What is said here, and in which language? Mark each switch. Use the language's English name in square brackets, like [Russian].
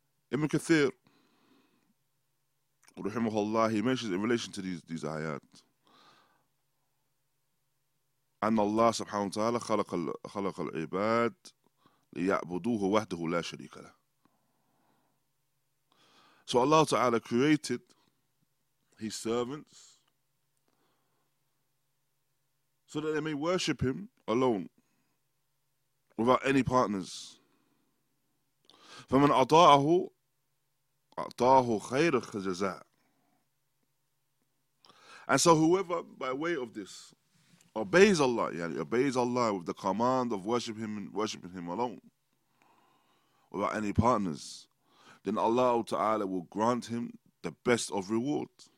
[English] Ibn Kathir, rahimahullah, he mentions in relation to these ayat, [Arabic] أن الله سبحانه وتعالى خلق العباد ليعبدوه وحده لا شريك له. [English] So Allah Ta'ala created His servants so that they may worship Him alone without any partners. [Arabic] فمن أطاعه أطاعه خير الجزاء. [English] And so whoever, by way of this, obeys Allah, yani obeys Allah with the command of worshiping Him alone, without any partners, then Allah Ta'ala will grant him the best of reward.